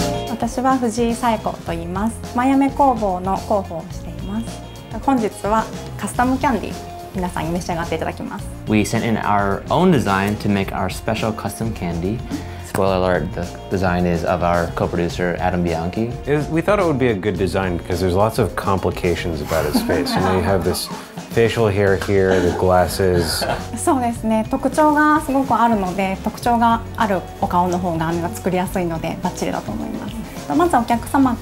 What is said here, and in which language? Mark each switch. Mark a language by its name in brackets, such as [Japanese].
[Japanese] 私は藤井彩子と言います。マヤメ工房の広報をしています。本日はカスタムキャンディ、皆さんに召し上がっていただきます。 [English] We sent in our own design to make our special custom candy. Spoiler alert, the design is of our co-producer, Adam Bianchi. We thought it would be a good design because there's lots of complications about his face. You know, you have this facial hair here, the glasses. [Japanese] そうですね、特徴がすごくあるので、特徴があるお顔の方が作りやすいので、バッチリだと思います。